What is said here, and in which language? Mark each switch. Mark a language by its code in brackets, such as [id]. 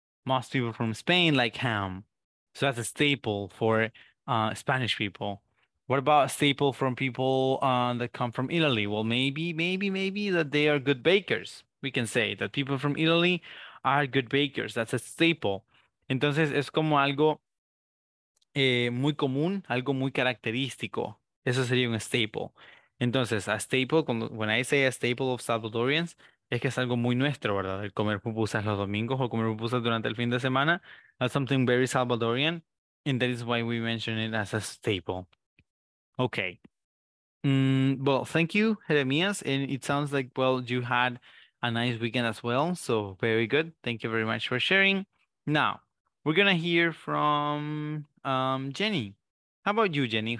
[en] Most people from Spain like ham. So that's a staple for Spanish people. What about a staple from people that come from Italy? Well, maybe that they are good bakers. We can say that people from Italy are good bakers. That's a staple. [es] Entonces, es como algo muy común, algo muy característico. Eso sería un staple. Entonces, a staple, when I say a staple of Salvadorians, es que es algo muy nuestro, ¿verdad? El comer pupusas los domingos o comer pupusas durante el fin de semana. [en] That's something very Salvadorian. And that is why we mention it as a staple. Okay. Well, thank you, Jeremias. And it sounds like, well, you had a nice weekend as well. So, very good. Thank you very much for sharing. Now, we're going to hear from Jenny. How about you, Jenny?